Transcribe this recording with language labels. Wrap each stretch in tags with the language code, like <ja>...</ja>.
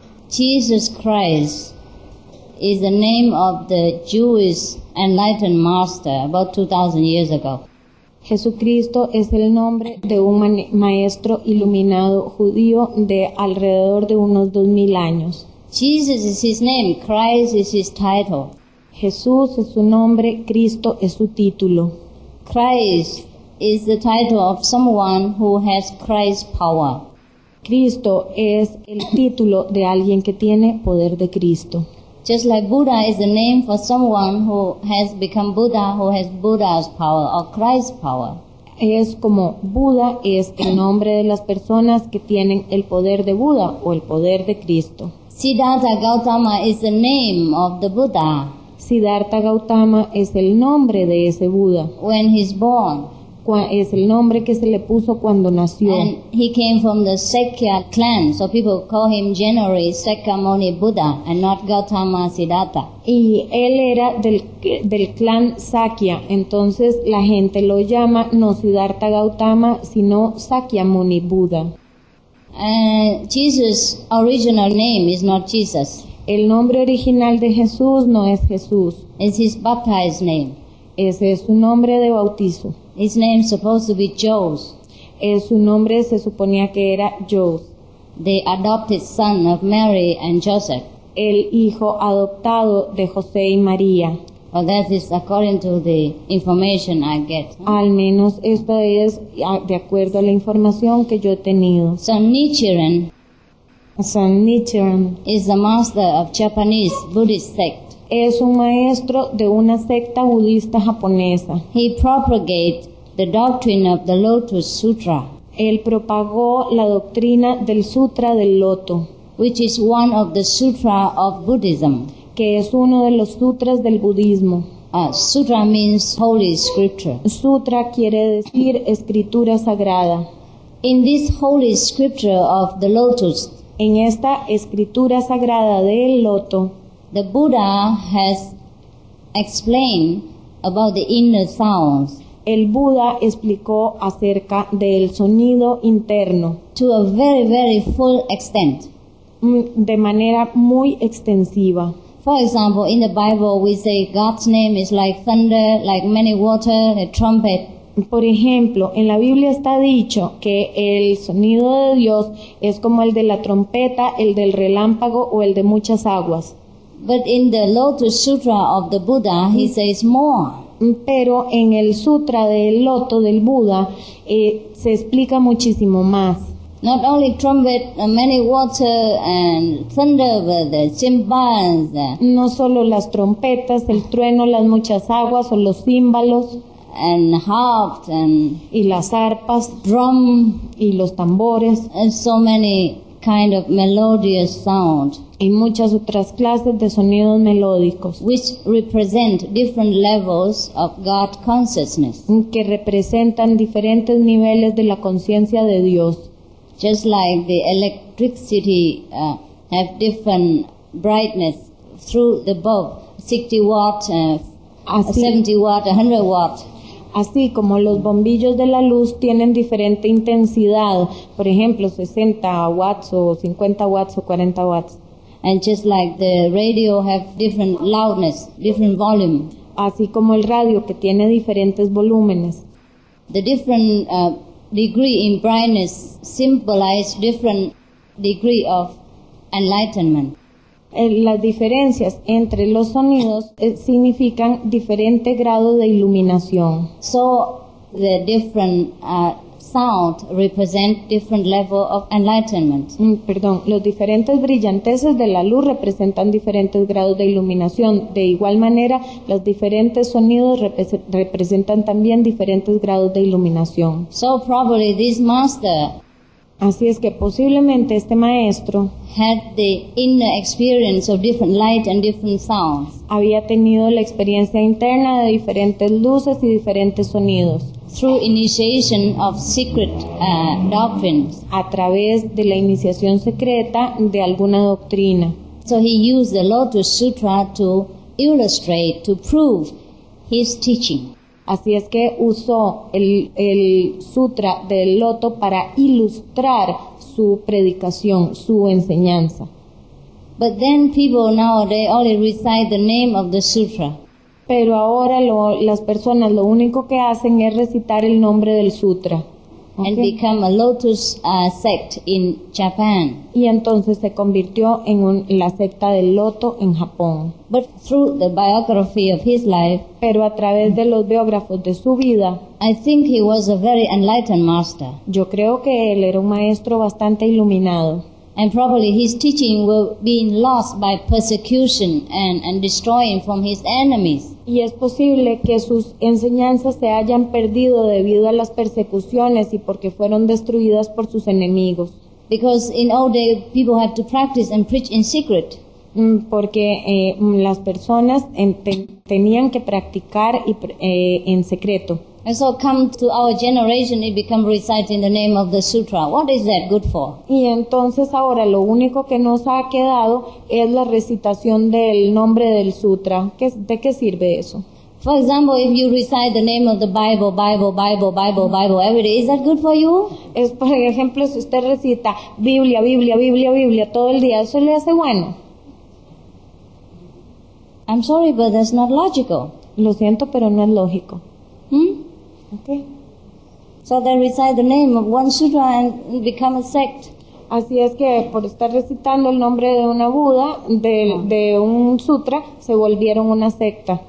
<en>Jesus Christ is the name of the Jewish enlightened master about 2,000 years ago.</en> <es>Jesucristo es el nombre de un maestro iluminado judío de alrededor de unos 2,000 años.</es> <en>Jesus is his name, Christ is his title.</en> <es>Jesús es su nombre, Cristo es su título.</es> <en>Christ is the title of someone who has Christ's power.</en> <es>Cristo es el título de alguien que tiene poder de Cristo.</es> <en>Just like Buddha is the name for someone who has become Buddha, who has Buddha's power or Christ's power.</en> <es>Es como Buda es el nombre de las personas que tienen el poder de Buda o el poder de Cristo.</es> <en>Siddhartha Gautama is the name of the Buddha.</en> <es>Siddhartha Gautama es el nombre de ese Buda.</es> <en>When he's born.</en> <es>Es el nombre que se le puso cuando nació.</es> <en>And he came from the Sakya clan, so people call him generally Sakyamuni Buddha and not Gautama Siddhartha.</en> <es>Y él era del clan Sakya, entonces la gente lo llama no Siddhartha Gautama, sino Sakyamuni Buddha.</es> <en>Jesus' original name is not Jesus.</en> <es>El nombre original de Jesús no es Jesús.</es> <en>It's his baptized name.</en> <es>Ese es su nombre de bautizo.</es> <en>His name is supposed to be Joes.</en> <es>Su nombre se suponía que era Joes.</es> <en>The adopted son of Mary and Joseph.</en> <es>El hijo adoptado de José y María.</es> <en>Well, that is according to the information I get.</en> <es>Al menos esta es de acuerdo a la información que yo he tenido.</es> <en>San Nichiren is the master of Japanese Buddhist sect.</en> <es>Es un maestro de una secta budista japonesa.</es> <en>He propagated the doctrine of the Lotus Sutra.</en> <es>Él propagó la doctrina del Sutra del Loto,</es> <en>which is one of the Sutra of Buddhism.</en> <es>Que es uno de los sutras del budismo.</es> <en>Sutra means holy scripture.</en> <es>Sutra quiere decir escritura sagrada.</es> <en>In this holy scripture of the Lotus,</en> <es>en esta escritura sagrada del Loto,</es> <en>the Buddha has explained about the inner sounds.</en> <es>El Buda explicó acerca del sonido interno.</es> <en>To a very, very full extent.</en> <es>De manera muy extensiva.</es> <en>For example, in the Bible we say God's name is like thunder, like many water, a trumpet.</en> <es>Por ejemplo, en la Biblia está dicho que el sonido de Dios es como el de la trompeta, el del relámpago o el de muchas aguas.</es> <en>But in the Lotus Sutra of the Buddha, he says more.</en> <es>Pero en el Sutra del Loto del Buda, se explica muchísimo más.</es> <en>Not only trumpet, many water and thunder, but the cymbals.</en> <es>No solo las trompetas, el trueno, las muchas aguas o los címbalos.</es> <en>And harps and...</en> <es>Y las arpas.</es> <en>Drum.</en> <es>Y los tambores.</es> <en>And so many kind of melodious sound.</en> <es>Y muchas otras clases de sonidos melódicos.</es> <en>Which represent different levels of God consciousness.</en> <es>Que representan diferentes niveles de la conciencia de Dios.</es> <en>Just like the electricity have different brightness through the bulb. 60 watt, 70 watt, 100 watt.</en> <es>Así como los bombillos de la luz tienen diferente intensidad. Por ejemplo, 60 watts o 50 watts o 40 watts.</es> <en>And just like the radio have different loudness, different volume.</en> <es>Así como el radio que tiene diferentes volúmenes.</es> <en>The different degree in brightness symbolize different degree of enlightenment.</en> <es>Las diferencias entre los sonidos significan diferente grado de iluminación.</es> <en>So the different sound represent different level of enlightenment.</en> <es>Perdón, los diferentes brillanteces de la luz representan diferentes grados de iluminación. De igual manera, los diferentes sonidos representan también diferentes grados de iluminación.</es> <en>So probably this master.</en> <es>Así es que posiblemente este maestro</es> <en>had the inner experience of different light and different sounds.</en> <es>Había tenido la experiencia interna de diferentes luces y diferentes sonidos.</es> <en>Through initiation of secret doctrines.</en> <es>A través de la iniciación secreta de alguna doctrina.</es> <en>So he used the Lotus Sutra to illustrate, to prove his teaching.</en> <es>Así es que usó el sutra del loto para ilustrar su predicación, su enseñanza.</es> <en>But then people nowadays only recite the name of the sutra.</en> <es>Pero ahora las personas lo único que hacen es recitar el nombre del sutra.</es> <en>Okay. And become a lotus sect in Japan.</en> <es>Y entonces se convirtió en la secta del loto en Japón.</es> <en>But through the biography of his life,</en> <es>pero a través de los biógrafos de su vida,</es> <en>I think he was a very enlightened master.</en> <es>Yo creo que él era un maestro bastante iluminado.</es> <en>And probably his teaching were being lost by persecution and destroying from his enemies.</en> <es>Y es posible que sus enseñanzas se hayan perdido debido a las persecuciones y porque fueron destruidas por sus enemigos.</es> <en>Because in old days people had to practice and preach in secret.</en> <es>Porque las personas tenían que practicar y en secreto.</es> <en>And so come to our generation, it become reciting the name of the sutra. What is that good for?</en> <es>Y entonces ahora lo único que nos ha quedado es la recitación del nombre del sutra. ¿De qué sirve eso?</es> <en>For example, if you recite the name of the Bible, Bible, Bible, Bible, Bible every day, is that good for you?</en> <es>Es por ejemplo, si usted recita Biblia, Biblia, Biblia, Biblia todo el día, ¿eso le hace bueno?</es> <en>I'm sorry, but that's not logical.</en> <es>Lo siento, pero no es lógico. Okay.</es> <en>So they recite the name of one sutra and become a sect.</en> <es>Así es que por estar recitando el nombre de una Buda, de un sutra, se volvieron una secta.</es>